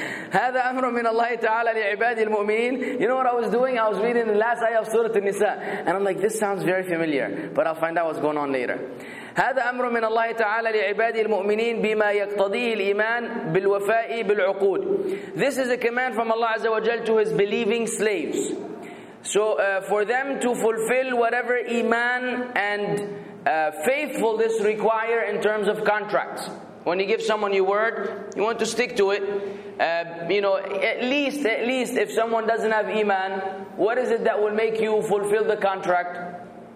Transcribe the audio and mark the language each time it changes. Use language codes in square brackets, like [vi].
[ar] هذا أمر من الله تعالى لعباد المؤمنين. [en] You know what I was doing? I was reading the last ayah of Surah An-Nisa, and I'm like, this sounds very familiar, but I'll find out what's going on later. [ar] هذا أمر من الله تعالى لعباد المؤمنين بما يقتضيه الإيمان بالوفاء بالعقود. [en] This is a command from Allah [ar] عز وجل [en] to His believing slaves, so for them to fulfill whatever iman and faithful this require in terms of contracts. When you give someone your word, you want to stick to it. At least if someone doesn't have iman, what is it that will make you fulfill the contract?